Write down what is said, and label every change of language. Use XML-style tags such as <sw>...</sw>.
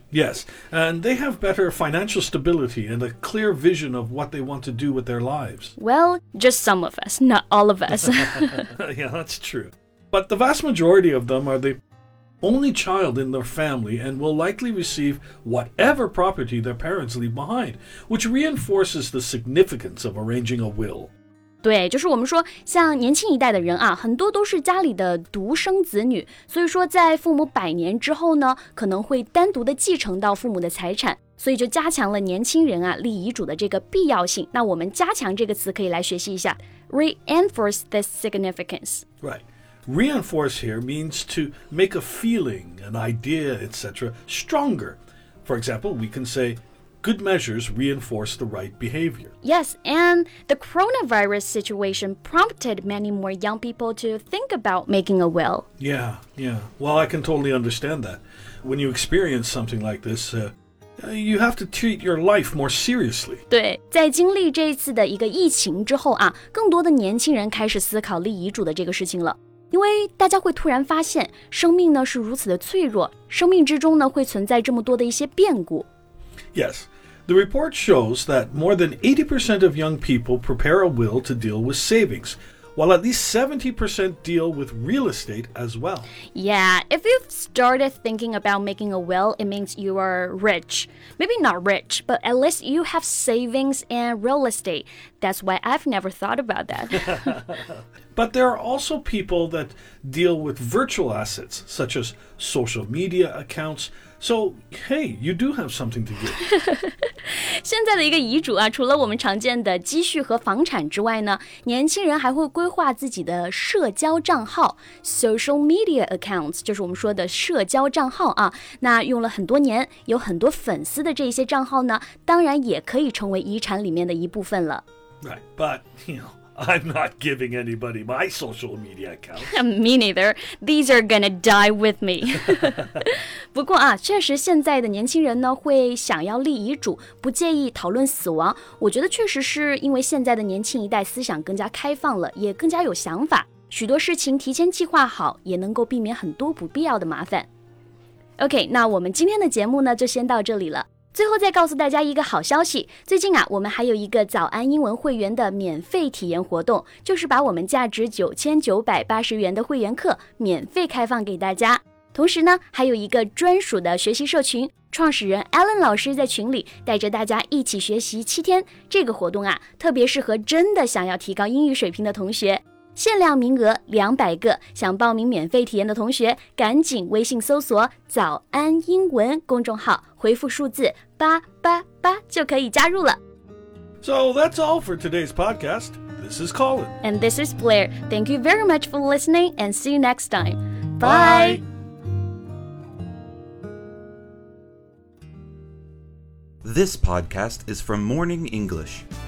<en>Yes, and they have better financial stability and a clear vision of what they want to do with their lives. Well, just some of us, not all of us. Yeah, that's true. But the vast majority of them are the only child in their family and will likely receive whatever property their parents leave behind, which reinforces the significance of arranging a will.</en> <zh>对，就是我们说像年轻一代的人啊，很多都是家里的独生子女，所以说在父母百年之后呢，可能会单独的继承到父母的财产，所以就加强了年轻人啊立遗嘱的这个必要性。那我们加强这个词可以来学习一下</zh> <en>reinforce this significance.</en> <zh>Right.</zh> <en>Reinforce here means to make a feeling, an idea, etc. stronger. For example, we can say, good measures reinforce the right behavior. Yes, and the coronavirus situation prompted many more young people to think about making a will. Yeah. Well, I can totally understand that. When you experience something like this, you have to treat your life more seriously.</en> <zh>对，在经历这一次的一个疫情之后啊，更多的年轻人开始思考立遗嘱的这个事情了。因为大家会突然发现生命呢是如此的脆弱，生命之中呢会存在这么多的一些变故。</zh> <en>Yes, the report shows that more than 80% of young people prepare a will to deal with savings, while at least 70% deal with real estate as well. Yeah, if you've started thinking about making a will, it means you are rich. Maybe not rich, but at least you have savings and real estate. That's why I've never thought about that. But there are also people that deal with virtual assets, such as social media accounts. So, hey, you do have something to give.</en> <zh>现在的一个遗嘱啊，除了我们常见的积蓄和房产之外呢，年轻人还会规划自己的社交账号 ,</zh> <en>social media accounts,</en> <zh>就是我们说的社交账号啊。那用了很多年，有很多粉丝的这些账号呢，当然也可以成为遗产里面的一部分了。</zh> <en>Right, but, you know,I'm not giving anybody my social media account. Me neither. These are gonna die with me.</en> <zh>不过啊，确实现在的年轻人呢，会想要立遗嘱，不介意讨论死亡。我觉得确实是因为现在的年轻一代思想更加开放了，也更加有想法。许多事情提前计划好，也能够避免很多不必要的麻烦。 OK, 那我们今天的节目呢，就先到这里了。最后再告诉大家一个好消息，最近啊，我们还有一个早安英文会员的免费体验活动，就是把我们价值9980元的会员课免费开放给大家。同时呢，还有一个专属的学习社群，创始人 Alan 老师在群里带着大家一起学习7天。这个活动啊，特别适合真的想要提高英语水平的同学，限量名额200个。想报名免费体验的同学，赶紧微信搜索“早安英文”公众号，回复数字888就可以加入了。</zh> <en>So that's all for today's podcast. This is Colin. And this is Blair. Thank you very much for listening and see you next time. Bye! This podcast is from Morning English.</en>